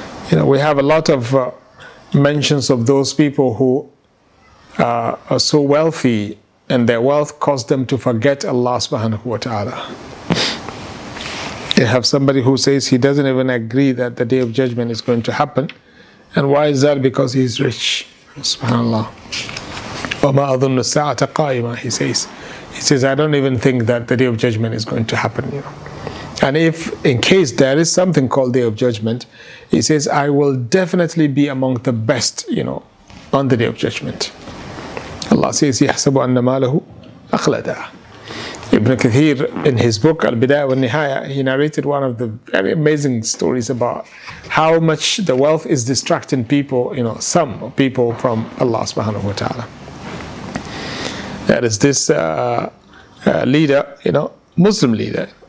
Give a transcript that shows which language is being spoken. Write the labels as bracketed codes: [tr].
[en] You know, we have a lot of mentions of those people who are so wealthy and their wealth caused them to forget Allah subhanahu wa ta'ala. You have somebody who says he doesn't even agree that the Day of Judgment is going to happen. And why is that? Because he's rich. SubhanAllah. [ar] وَمَا أَظُنُّ السَّاعَةَ قَائِمًا, [en] he says. He says, I don't even think that the Day of Judgment is going to happen. You know? And if, in case there is something called Day of Judgment, he says, I will definitely be among the best, you know, on the Day of Judgment. Allah says, [ar] يَحْسَبُ أَنَّ مَالَهُ أَخْلَدَى. [en] Ibn Kathir, in his book, Al-Bidayah wa Nihaya, he narrated one of the very amazing stories about how much the wealth is distracting people, you know, some people from Allah subhanahu wa ta'ala. That is this leader, you know, Muslim leader.